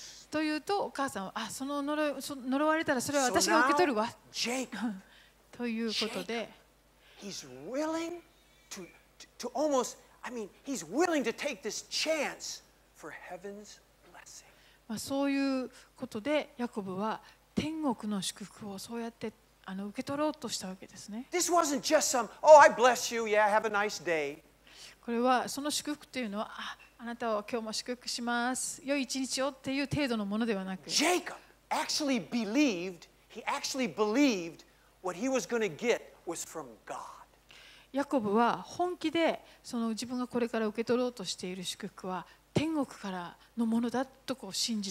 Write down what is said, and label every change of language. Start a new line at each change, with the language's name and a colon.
Japanese: というとお母さんはその呪われたらそれは私が受け取るわ。ということで、
English: he's willing to almost, I mean, he's willing to take this chance for heaven's.
Japanese: まあ、そういうことでヤコブは天国の祝福をそうやって受け取ろうとしたわけですね。
English: This wasn't just some, oh, I bless you, yeah, have a nice day.
Japanese: これはその祝福というのは、あなたを今日も祝福します、良い一日をっていう程度のものではなく、
English: Jacob actually believed, he actually believed what he was going to get was from God.
Japanese: ヤコブは本気でその自分がこれから受け取ろうとしている祝福は天国からのものだとこう信じ